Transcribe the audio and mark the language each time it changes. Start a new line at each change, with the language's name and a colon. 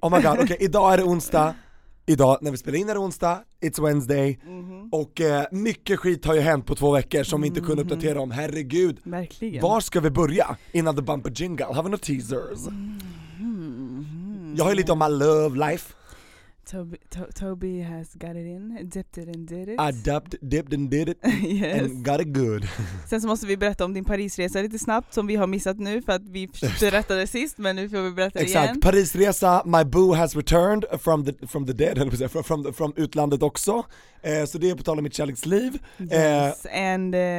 English: Oh my god,
Swedish: okej, idag är det onsdag. Idag, när vi spelar in, är det onsdag.
English: It's Wednesday.
Swedish: Mm-hmm. Och mycket skit har ju hänt på 2 veckor som vi inte kunde uppdatera om. Herregud. Verkligen. Var ska vi börja innan
English: the bumper jingle?
Swedish: Har vi några teasers? Mm-hmm. Jag har ju lite om
English: my love life. Toby has got it in, dipped it and did it. Dipped and did it. Yes. And got it good.
Swedish: Sen så måste vi berätta om din Parisresa lite snabbt, som vi har missat nu för att vi berättade sist, men nu får vi berätta exakt. Igen. Exakt. Parisresa,
English: my boo has returned from the dead, from
Swedish: utlandet också. Så det är på tal om mitt kärleksliv.
English: Yes. And